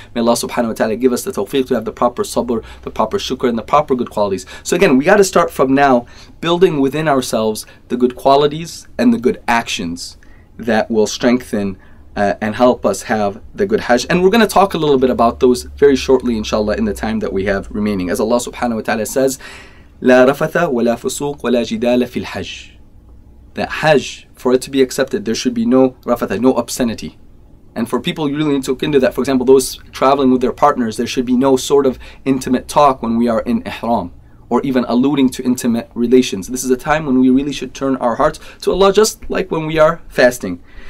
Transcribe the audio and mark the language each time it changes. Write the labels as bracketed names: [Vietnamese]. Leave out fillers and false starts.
[English] May Allah subhanahu wa ta'ala give us the tawfiq to have the proper sabr, the proper shukr, and the proper good qualities. So again, we got to start from now building within ourselves the good qualities and the good actions that will strengthen and help us have the good Hajj. And we're going to talk a little bit about those very shortly, inshallah, in the time that we have remaining. As Allah subhanahu wa ta'ala says, [Arabic] لَا رَفَثَ وَلَا فُسُوق وَلَا جِدَالَ فِي الْحَجِّ. [English] That Hajj, for it to be accepted, there should be no rafatha, no obscenity. And for people, you really need to look into that. For example, those traveling with their partners, there should be no sort of intimate talk when we are in ihram, or even alluding to intimate relations. This is a time when we really should turn our hearts to Allah, just like when we are fasting.